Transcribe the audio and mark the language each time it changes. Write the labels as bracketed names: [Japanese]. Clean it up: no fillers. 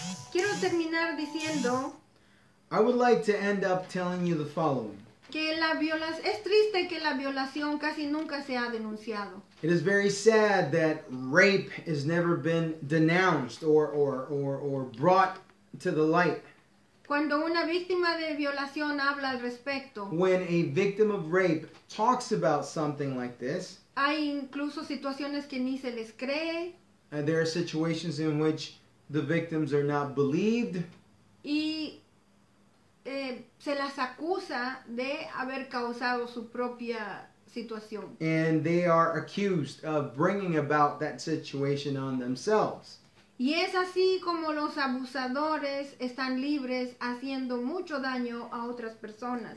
[Spanish] Quiero terminar diciendo. [English] I would like to end up telling you the following. [Spanish] Que la violación, es triste que la violación casi nunca se ha denunciado. [English] It is very sad that rape has never been denounced or brought to the light. [Spanish] Cuando una víctima de violación habla al respecto. [English] When a victim of rape talks about something like this. [Spanish] Hay incluso situaciones que ni se les cree. [English] There are situations in which the victims are not believed. [Spanish] Y se las acusa de haber causado su propia situación. [English] And they are accused of bringing about that situation on themselves. [Spanish] Y es así como los abusadores están libres haciendo mucho daño a otras personas.